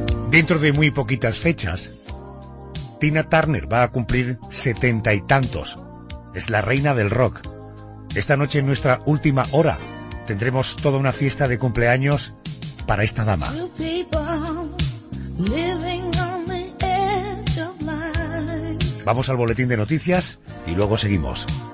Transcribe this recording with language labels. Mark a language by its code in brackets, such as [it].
[es] Dentro de muy poquitas fechas, Tina Turner va a cumplir 70 y tantos. Es la reina del rock. Esta noche, en nuestra última hora, tendremos toda una fiesta de cumpleaños para esta dama. [en] Two people living on the edge of life. [es] Vamos al boletín de noticias y luego seguimos.